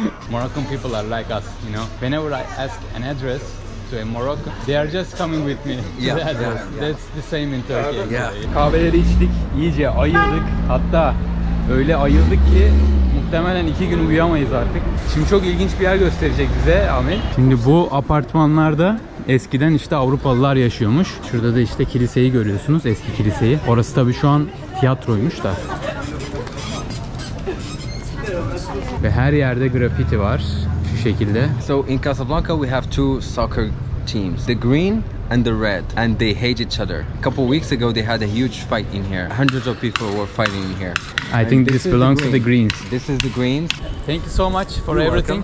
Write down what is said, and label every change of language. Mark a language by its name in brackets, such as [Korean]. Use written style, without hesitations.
[English] Moroccan people are like us, you know. Whenever I ask an address, to in Morocco. They are just coming with me. Yeah, that's the same in Turkey. Yeah. Yeah. [Turkish] Kahveleri içtik, iyice ayıldık. Hatta öyle ayıldık ki muhtemelen iki gün uyuyamayız artık. Şimdi çok ilginç bir yer gösterecek bize Amin. Şimdi bu apartmanlarda eskiden işte Avrupalılar yaşıyormuş. Şurada da işte kiliseyi görüyorsunuz, eski kiliseyi. Orası tabii şu an tiyatroymuş da. Ve her yerde grafiti var şu şekilde. [English] So in Casablanca we have two soccer teams, the green and the red, and they hate each other. A couple weeks ago they had a huge fight in here. Hundreds of people were fighting in here. I think this belongs to the greens. This is the greens. Thank you so much for You're everything.